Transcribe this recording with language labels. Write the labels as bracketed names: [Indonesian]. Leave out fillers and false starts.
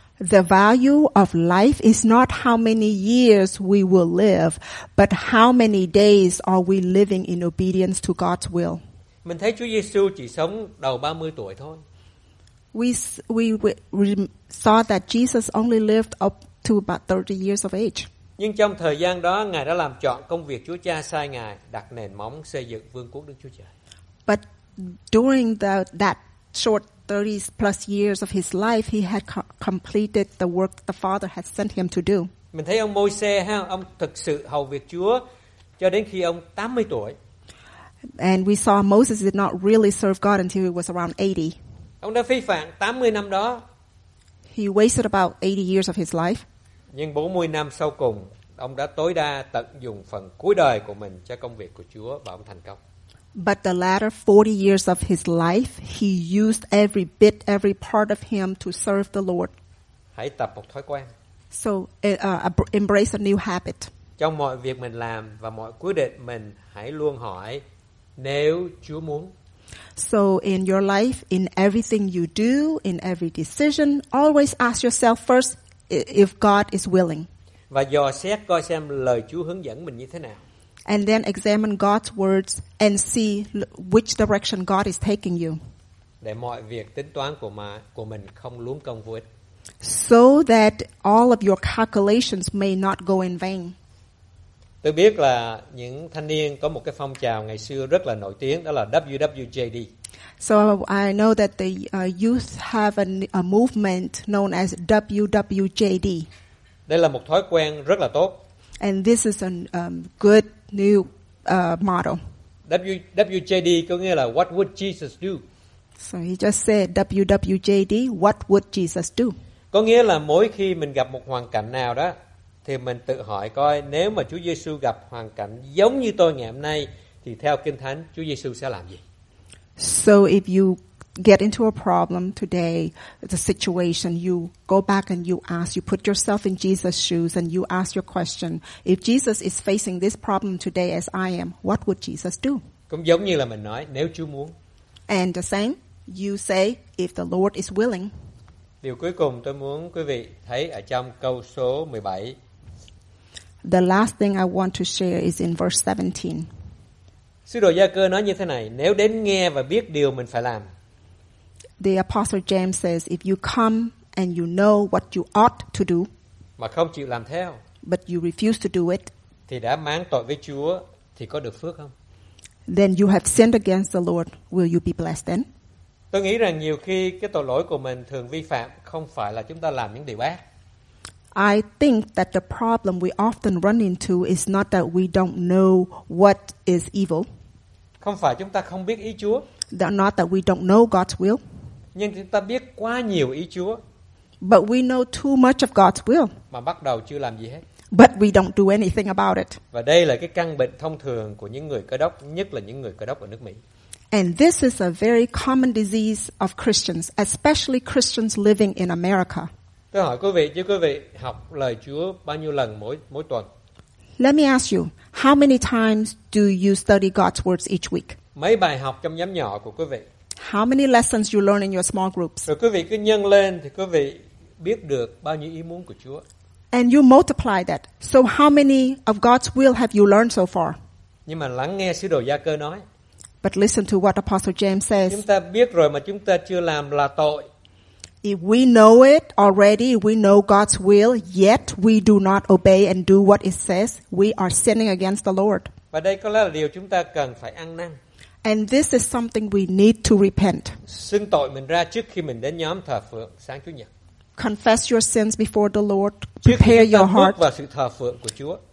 [English] The value of life is not how many years we will live, but how many days are we living in obedience to God's will. [Vietnamese] Mình thấy Chúa Giêsu chỉ sống đầu 30 tuổi thôi. [English] We saw that Jesus only lived up to about 30 years of age. [Vietnamese] Nhưng trong thời gian đó, Ngài đã làm trọn công việc Chúa Cha sai Ngài, đặt nền móng xây dựng vương quốc Đức Chúa Trời. [English] But during that short 30 plus years of his life, he had completed the work the Father had sent him to do. [Vietnamese] Mình thấy ông Môi-se ha, ông thực sự hầu việc Chúa cho đến khi ông 80 tuổi. [English] And we saw Moses did not really serve God until he was around 80. [Vietnamese] Ông đã phí phạm 80 năm đó. [English] He wasted about 80 years of his life. [Vietnamese] Nhưng 40 năm sau cùng, ông đã tối đa tận dụng phần cuối đời của mình cho công việc của Chúa và ông thành công. [English] But the latter 40 years of his life, he used every bit, every part of him to serve the Lord. [Vietnamese] Hãy tập một thói quen. [English] So embrace a new habit. [Vietnamese] Trong mọi việc mình làm và mọi quyết định mình, hãy luôn hỏi nếu Chúa muốn. [English] So in your life, in everything you do, in every decision, always ask yourself first if God is willing. [Vietnamese] Và dò xét coi xem lời Chúa hướng dẫn mình như thế nào. [English] And then examine God's words and see which direction God is taking you. [Vietnamese] Để mọi việc tính toán của mình không luống công vô ích. [English] So that all of your calculations may not go in vain. [Vietnamese] Tôi biết là những thanh niên có một cái phong trào ngày xưa rất là nổi tiếng, đó là WWJD. [English] So I know that the youth have a movement known as WWJD. [Vietnamese] Đây là một thói quen rất là tốt. [English] And this is a good new model. [Vietnamese] WWJD có nghĩa là [English] what would Jesus do? So he just said WWJD, what would Jesus do? [Vietnamese] Có nghĩa là mỗi khi mình gặp một hoàn cảnh nào đó, thì mình tự hỏi coi nếu mà Chúa Giêsu gặp hoàn cảnh giống như tôi ngày hôm nay thì theo Kinh Thánh Chúa Giêsu sẽ làm gì? [English] So if you get into a problem today, the situation, you go back and you ask, you put yourself in Jesus' shoes and you ask your question, if Jesus is facing this problem today as I am, what would Jesus do? [Vietnamese] Cũng giống như là mình nói nếu Chúa muốn. [English] And the same, you say if the Lord is willing. [Vietnamese] Điều cuối cùng tôi muốn quý vị thấy ở trong câu số 17. [English] The last thing I want to share is in verse 17. [Vietnamese] Sứ đồ Gia-cơ nói như thế này, nếu đến nghe và biết điều mình phải làm. [English] The apostle James says, if you come and you know what you ought to do, [Vietnamese] mà không chịu làm theo, [English] but you refuse to do it, [Vietnamese] thì đã máng tội với Chúa, thì có được phước không? [English] Then you have sinned against the Lord, will you be blessed then? [Vietnamese] Tôi nghĩ rằng nhiều khi cái tội lỗi của mình thường vi phạm không phải là chúng ta làm những điều ác. [English] I think that the problem we often run into is not that we don't know what is evil. [Vietnamese] Không phải chúng ta không biết ý Chúa. [English] Not that we don't know God's will. [Vietnamese] Nhưng chúng ta biết quá nhiều ý Chúa. [English] But we know too much of God's will. [Vietnamese] Mà bắt đầu chưa làm gì hết. [English] But we don't do anything about it. [Vietnamese] Và đây là cái căn bệnh thông thường của những người Cơ Đốc, nhất là những người Cơ Đốc ở nước Mỹ. [English] And this is a very common disease of Christians, especially Christians living in America. [Vietnamese] Tôi hỏi quý vị, chứ quý vị học lời Chúa bao nhiêu lần mỗi tuần? [English] Let me ask you, how many times do you study God's words each week? [Vietnamese] Mấy bài học trong nhóm nhỏ của quý vị? [English] How many lessons you learn in your small groups? [Vietnamese] Rồi quý vị cứ nhân lên thì quý vị biết được bao nhiêu ý muốn của Chúa? [English] And you multiply that. So how many of God's will have you learned so far? [Vietnamese] Nhưng mà lắng nghe sứ đồ Gia-cơ nói. [English] But listen to what Apostle James says. [Vietnamese] Chúng ta biết rồi mà chúng ta chưa làm là tội. [English] If we know it already, we know God's will, yet we do not obey and do what it says, we are sinning against the Lord. [Vietnamese] Và đây có lẽ là điều chúng ta cần phải ăn năn. [English] And this is something we need to repent. [Vietnamese] Xưng tội mình ra trước khi mình đến nhóm thờ phượng sáng Chủ nhật. [English] Confess your sins before the Lord, prepare your heart. [Vietnamese] Trước khi chúng ta bước vào sự thờ phượng của Chúa.